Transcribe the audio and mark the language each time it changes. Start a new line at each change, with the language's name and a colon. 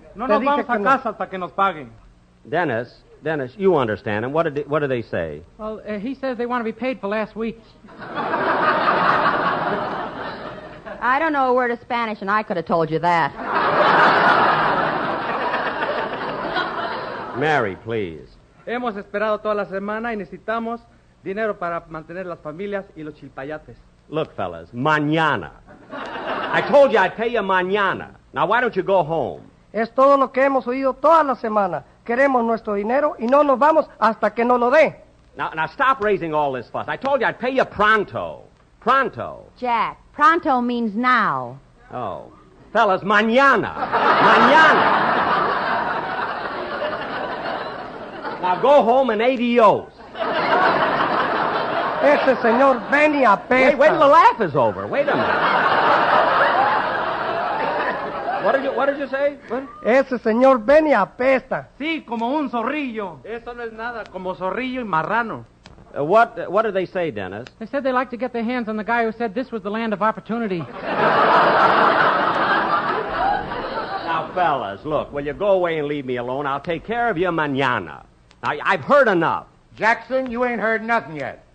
Spanish: No nos vamos a casa hasta que nos paguen.
English: Dennis, you understand him. What do they say? Well, he says they want to be paid for last week. I don't know a word of Spanish, and I could have told you that. Mary, please.
Spanish: Hemos esperado toda la semana y necesitamos dinero para mantener las familias y los chilpayates.
English: Look, fellas, mañana. I told you I'd pay you mañana. Now, why don't you go home?
Spanish: Es todo lo que hemos oído toda la semana. Queremos nuestro dinero y no nos vamos hasta que nos lo dé.
English: Now, stop raising all this fuss. I told you I'd pay you pronto. Pronto. Jack, pronto means now. Oh. Fellas, mañana. Mañana. Now go home and adios.
Spanish: Este señor Benny apesta.
English: Wait till the laugh is over. Wait a minute. What did you say?
Spanish: Este señor Benny apesta. Sí, como un zorrillo. Eso no es nada, como zorrillo y marrano.
English: What did they say, Dennis? They said they like to get their hands on the guy who said this was the land of opportunity. Now, fellas, look, will you go away and leave me alone? I'll take care of you mañana. I've heard enough. Jackson, you ain't heard nothing yet.